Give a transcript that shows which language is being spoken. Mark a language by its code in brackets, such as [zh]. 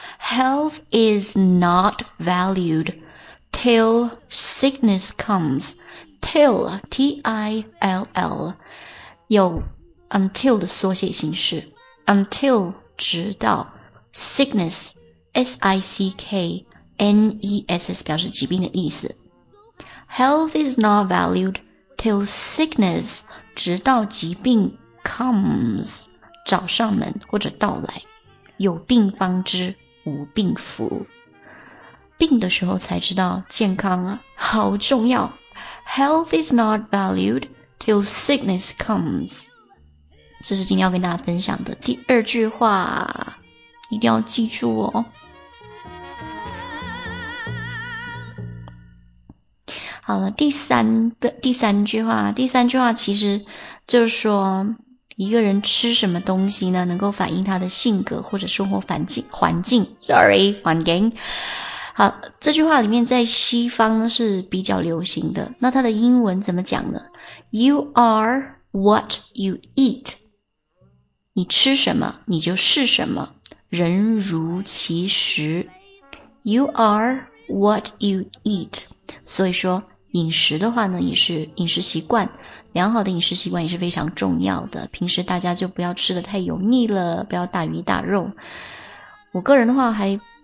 [en] Health is not valued till sickness comes， [zh] till, T-I-L-L, 有 until 的缩写形式。 until, 直到 sickness, S-I-C-K-N-E-S-S, 表示疾病的意思。 [en] Health is not valued till sickness, [zh] 直到疾病 [en] comes, [zh] 找上门或者到来。有病方知无病服。病的时候才知道健康啊，好重要。 [en] Health is not valued till sickness comes. [zh] 这是今天要跟大家分享的第二句话，一定要记住哦。好了，第三句话，第三句话其实就是说，一个人吃什么东西呢，能够反映他的性格或者生活环境。 [en] Sorry, [zh] 环境。好，这句话里面在西方呢是比较流行的。那它的英文怎么讲呢 ？ [en] You are what you eat。 [zh] 你吃什么，你就是什么，人如其食。 [en] You are what you eat。 [zh] 所以说，饮食的话呢，也是饮食习惯，良好的饮食习惯也是非常重要的。平时大家就不要吃得太油腻了，不要大鱼大肉。我个人的话还。